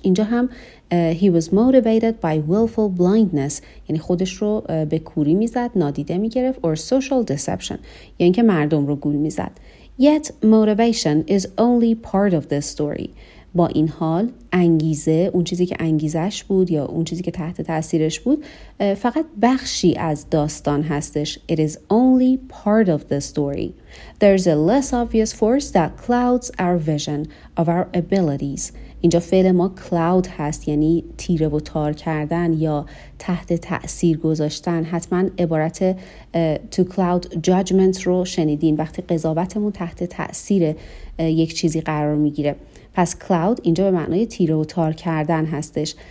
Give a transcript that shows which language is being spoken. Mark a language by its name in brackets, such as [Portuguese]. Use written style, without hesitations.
[Persian] اینجا هم [English] he was motivated by willful blindness، [Persian] یعنی خودش رو به کوری میزد، نادیده میگرفت، [English] or social deception، [Persian] یعنی اینکه مردم رو گول میزد. [English] yet motivation is only part of this story، [Persian] با این حال انگیزه، اون چیزی که انگیزش بود یا اون چیزی که تحت تأثیرش بود، فقط بخشی از داستان هستش. [English] It is only part of the story. There's a less obvious force that clouds our vision of our abilities. [Persian] اینجا فعل ما cloud هست، یعنی تیره و تار کردن یا تحت تأثیر گذاشتن. حتما عبارت to cloud judgment رو شنیدین، وقتی قضاوتمون تحت تأثیر یک چیزی قرار میگیره. پس cloud اینجا به معنای تیره و تار کردن هستش.